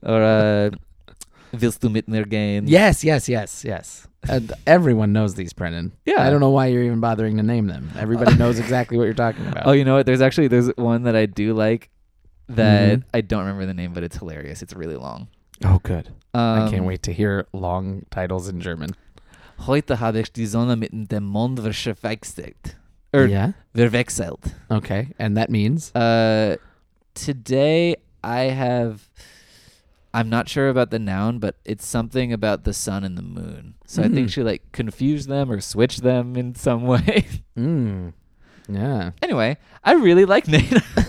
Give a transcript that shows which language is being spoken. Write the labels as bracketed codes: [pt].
[de] Or Willst du mit mir gehen? [en] Yes, yes, yes, yes. And everyone knows these, Brennan. Yeah. I don't know why you're even bothering to name them. Everybody knows exactly what you're talking about. Oh, you know what? There's actually there's one that I do like that I don't remember the name, but it's hilarious. It's really long. Oh, good. I can't wait to hear long titles in German. [de] Heute habe ich die Sonne mit dem Mond verwechselt. Verwechselt. [en] Okay, and that means? Today I have, I'm not sure about the noun, but it's something about the sun and the moon. So I think she like confused them or switched them in some way. Yeah. Anyway, I really like Nina.